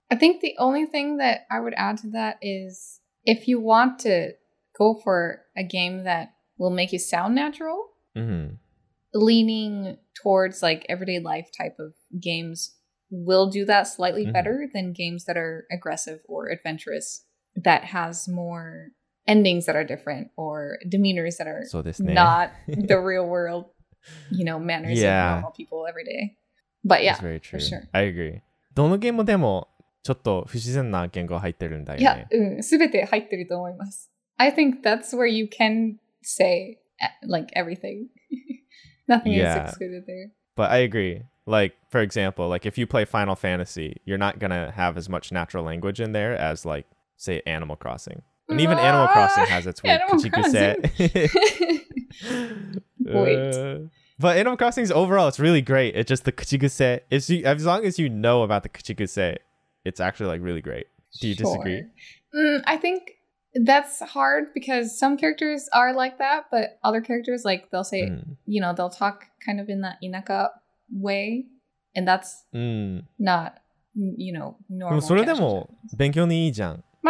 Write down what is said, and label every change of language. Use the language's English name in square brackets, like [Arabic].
[English] I think the only thing that I would add to that is if you want to go for a game that will make you sound natural, leaning towards like everyday life type of games will do that slightly better than games that are aggressive or adventurous that has more endings that are different or demeanors that are not the real world. You know, manners of normal people every day. But yeah, very true. For sure. I agree. [Japanese] どのゲームでもちょっと不自然な言語入ってるんだよね。 [English] Yeah, [Japanese] 全て入ってると思います. [English] I think that's where you can say, like, everything. Nothing is excluded there. But I agree. Like, for example, like, if you play Final Fantasy, you're not going to have as much natural language in there as, like, say, Animal Crossing. And even Animal Crossing has its weird kuchikuse. But Animal Crossing is overall, it's really great. It's just the kuchikuse. As long as you know about the kuchikuse, it's actually like really great. Do you disagree? I think that's hard because some characters are like that, but other characters, like they'll say, you know, they'll talk kind of in that inaka way. And that's not, you know, normal. [Japanese] それでも勉強にいいじゃん。